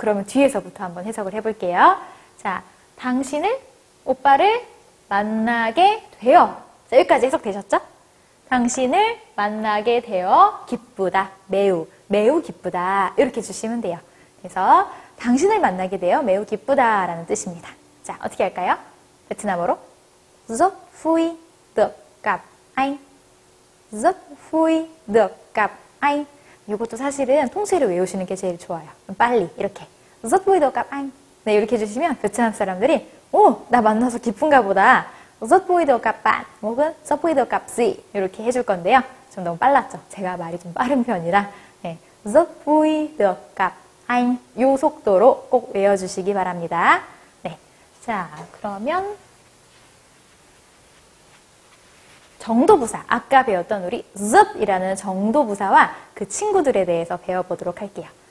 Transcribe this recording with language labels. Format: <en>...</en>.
<ko>그러면 뒤에서부터 한번 해석을 해볼게요. 자, 당신을, 오빠를 만나게 되어. 자, 여기까지 해석되셨죠? 당신을 만나게 되어 기쁘다, 매우, 매우 기쁘다 이렇게 주시면 돼요. 그래서 당신을 만나게 되어 매우 기쁘다 라는 뜻입니다. 자, 어떻게 할까요? 베트남어로</ko> <vi>Rất vui được gặp anh. Rất vui được gặp anh.</vi> <ko>이것도 사실은 통째로 외우시는 게 제일 좋아요. 빨리 이렇게</ko> <vi>Rất vui được gặp anh.</vi> <ko>네, 이렇게 해주시면 베트남 사람들이 오, 나 만나서 기쁜가 보다.</ko> <vi>Rất vui được gặp bạn</vi> <ko>혹은</ko> <vi>Rất vui được gặp chị</vi> <ko>이렇게 해줄 건데요. 좀 너무 빨랐죠? 제가 말이 좀 빠른 편이라 네,</ko> <vi>Rất vui được gặp anh</vi> <ko>요 속도로 꼭 외워주시기 바랍니다. 네, 자, 그러면 정도부사, 아까 배웠던 우리 zup이라는 정도부사와 그 친구들에 대해서 배워보도록 할게요.</ko>